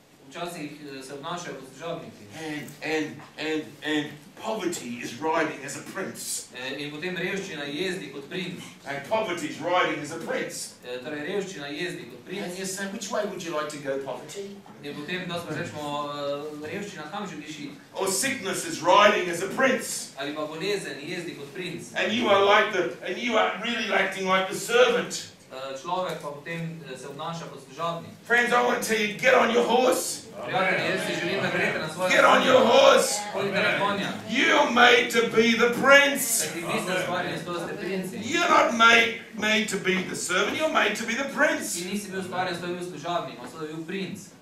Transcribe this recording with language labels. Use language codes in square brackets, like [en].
[sl] Včasih se obnašajo kot služabniki. [en] And poverty is riding as a prince. [sl] In potem revščina jezdi kot princ. [en] And poverty is riding as a prince. [sl] Torej revščina jezdi kot princ. [en] And you say, which way would you like to go, poverty? [sl] In potem da smo rečemo, revščina kam želiš iti? [en] Or sickness is riding as a prince. [sl] Ali pa bolezen jezdi kot princ. [en] And you are like you are really acting like the servant. [sl] Človek pa potem se obnaša kot služabnik. [en] Friends, I want to tell you, get on your horse. Amen. Get on your horse. Amen. You're made to be the prince. Amen. You're not made to be the servant, you're made to be the prince.